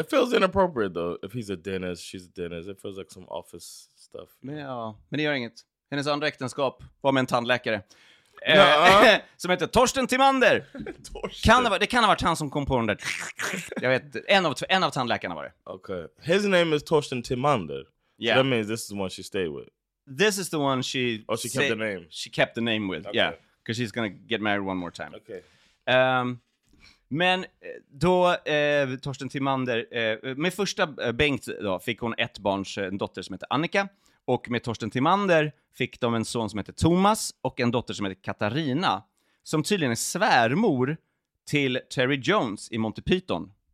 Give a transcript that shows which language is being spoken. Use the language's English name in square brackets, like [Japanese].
[English] It feels inappropriate though. If he's a dentist, she's a dentist. It feels like some office stuff. [Swedish] Men ja, men det gör inget. Hennes andra äktenskap var med en tandläkare. Som heter Torsten Timander. Torsten. Det kan ha varit han som kom på den där. Jag vet, en av tandläkarna var det. [English] Okay. His name is Torsten Timander. Yeah. So that means this is the one she stayed with. This is the one she... Oh, she kept the name. She kept the name with, okay. Yeah. Because she's gonna get married one more time. Okay. [Swedish] Men då Torsten Timander med första Bengt då fick hon ett barns en dotter som heter Annika, och med Torsten Timander fick de en son som heter Thomas och en dotter som heter Katarina, som tydligen är svärmor till Terry Jones i Monty Python.